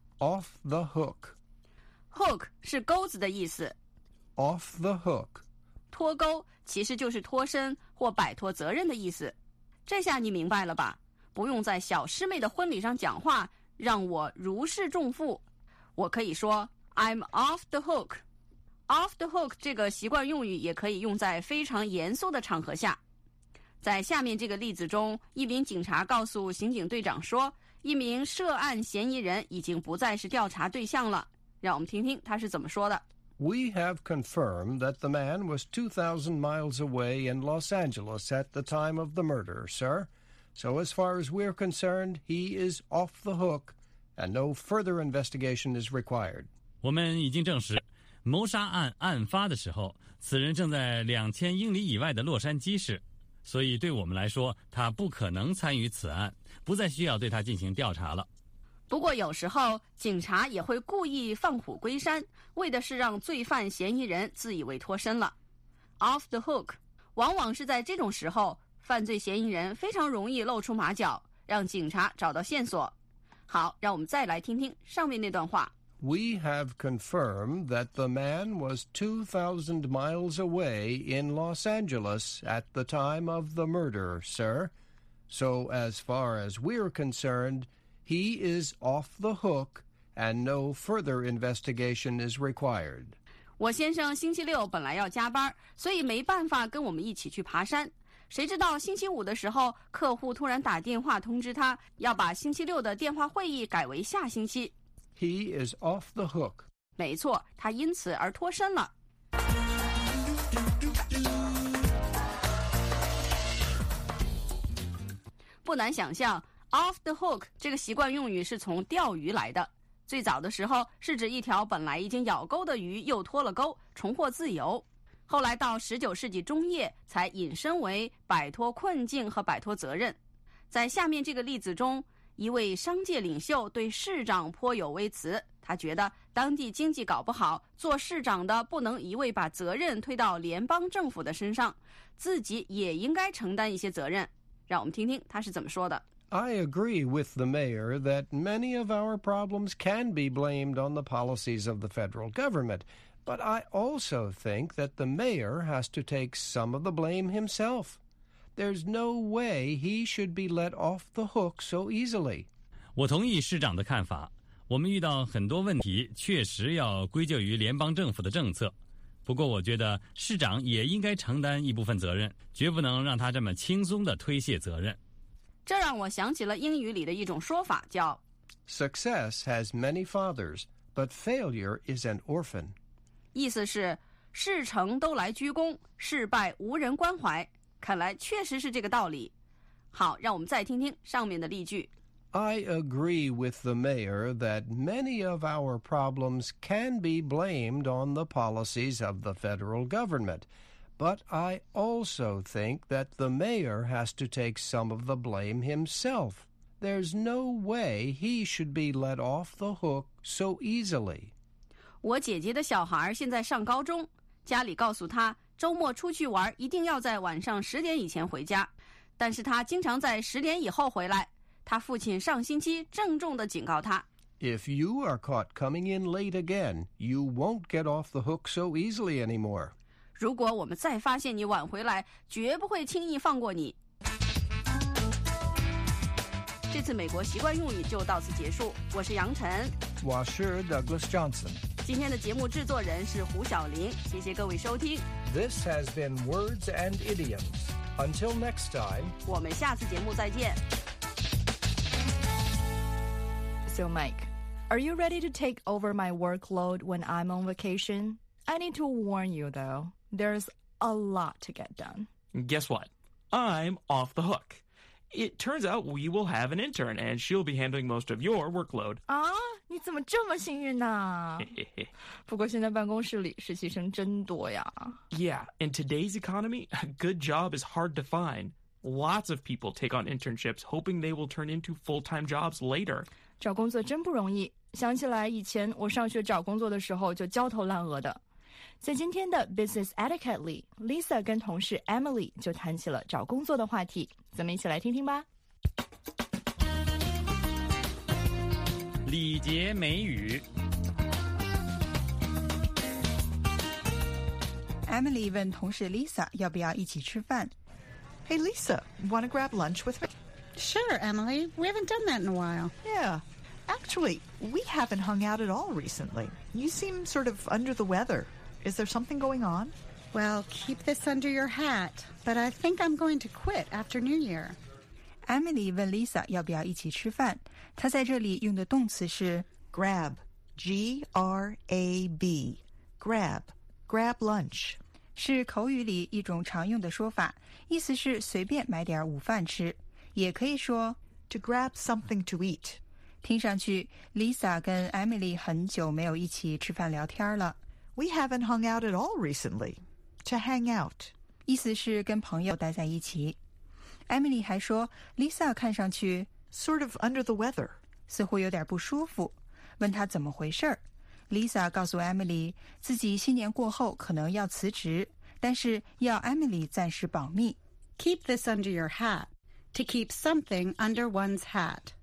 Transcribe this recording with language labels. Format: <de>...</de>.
<en>Off the hook.</en> <zh>Hook 是钩子的意思。</zh> <en>Off the hook.</en> <zh>脱钩其实就是脱身或摆脱责任的意思，这下你明白了吧？不用在小师妹的婚礼上讲话，让我如释重负。我可以说</zh> <en>I'm off the hook. Off the hook</en> <zh>这个习惯用语也可以用在非常严肃的场合下。在下面这个例子中，一名警察告诉刑警队长说，一名涉案嫌疑人已经不再是调查对象了。让我们听听他是怎么说的。</zh> <en>We have confirmed that the man was 2,000 miles away in Los Angeles at the time of the murder, sir. So as far as we're concerned, he is off the hook, and no further investigation is required.</en> <zh>我们已经证实，谋杀案案发的时候，此人正在2000英里以外的洛杉矶市，所以对我们来说，他不可能参与此案，不再需要对他进行调查了。不过有时候警察也会故意放虎归山，为的是让罪犯嫌疑人自以为脱身了。</zh> <en>Off the hook</en> <zh>往往是在这种时候，犯罪嫌疑人非常容易露出马脚，让警察找到线索。好，让我们再来听听上面那段话。</zh> <en>We have confirmed that the man was 2,000 miles away in Los Angeles at the time of the murder, sir. So as far as we're concernedHe is off the hook, and no further investigation is required.</en> <zh>我先生星期六本来要加班，所以没办法跟我们一起去爬山。谁知道星期五的时候，客户突然打电话通知他，要把星期六的电话会议改为下星期。</zh> <en>He is off the hook.</en> <zh>没错，他因此而脱身了。不难想象</zh> <en>Off the hook</en> <zh>这个习惯用语是从钓鱼来的，最早的时候是指一条本来已经咬钩的鱼又脱了钩，重获自由。后来到19世纪中叶才引申为摆脱困境和摆脱责任。在下面这个例子中，一位商界领袖对市长颇有微词，他觉得当地经济搞不好，做市长的不能一味把责任推到联邦政府的身上，自己也应该承担一些责任。让我们听听他是怎么说的。</zh> <en>I agree with the mayor that many of our problems can be blamed on the policies of the federal government, but I also think that the mayor has to take some of the blame himself. There's no way he should be let off the hook so easily.</en> <zh>我同意市长的看法，我们遇到很多问题确实要归咎于联邦政府的政策，不过我觉得市长也应该承担一部分责任，绝不能让他这么轻松地推卸责任。这让我想起了英语里的一种说法，叫</zh> <en>Success has many fathers, but failure is an orphan.</en> <zh>意思是事成都来鞠躬，事败无人关怀。看来确实是这个道理。好，让我们再听听上面的例句。</zh> <en>I agree with the mayor that many of our problems can be blamed on the policies of the federal government. But I also think that the mayor has to take some of the blame himself. There's no way he should be let off the hook so easily.</en> <zh>我姐姐的小孩现在上高中，家里告诉她周末出去玩一定要在晚上十点以前回家，但是她经常在十点以后回来。她父亲上星期郑重地警告她。</zh> <en>If you are caught coming in late again, you won't get off the hook so easily anymore.</en> <zh>如果我们再发现你晚回来，绝不会轻易放过你。这次美国习惯用语就到此结束，我是杨晨。我是 Douglas Johnson。今天的节目制作人是胡晓琳，谢谢各位收听。</zh> <en>This has been Words and Idioms. Until next time.</en> <zh>我们下次节目再见。</zh> <en>So Mike, are you ready to take over my workload when I'm on vacation? I need to warn you though, there's a lot to get done. Guess what? I'm off the hook. It turns out we will have an intern and she'll be handling most of your workload.</en> <zh>啊，你怎么这么幸运呢？不过现在办公室里实习生真多呀。</zh> <en>Yeah, in today's economy, a good job is hard to find. Lots of people take on internships hoping they will turn into full-time jobs later.</en> <zh>找工作真不容易，想起来以前我上学找工作的时候就焦头烂额的。在今天的 Business Etiquette 里， Lisa 跟同事 Emily 就谈起了找工作的话题，咱们一起来听听吧。礼节美语。 Emily 问同事 Lisa 要不要一起吃饭。</zh> <en>Hey Lisa, wanna grab lunch with me? Sure, Emily. We haven't done that in a while. Yeah. Actually, we haven't hung out at all recently. You seem sort of under the weather. Is there something going on? Well, keep this under your hat, but I think I'm going to quit after New Year.</en> <zh>Emily 问 Lisa 要不要一起吃饭。她在这里用的动词是</zh> <en>grab, G-R-A-B, grab, grab lunch.</en> <zh>是口语里一种常用的说法，意思是随便买点午饭吃。也可以说</zh> <en>to grab something to eat.</en> <zh>听上去 Lisa 跟 Emily 很久没有一起吃饭聊天了。</zh> <en>We haven't hung out at all recently. To hang out.</en> <zh>意思是跟朋友待在一起。Emily 还说 Lisa 看上去</zh> <en>sort of under the weather.</en> <zh>似乎有点不舒服。问她怎么回事。 Lisa 告诉 Emily 自己新年过后可能要辞职，但是要 Emily 暂时保密。</zh> <en>Keep this under your hat. To keep something under one's hat.</en>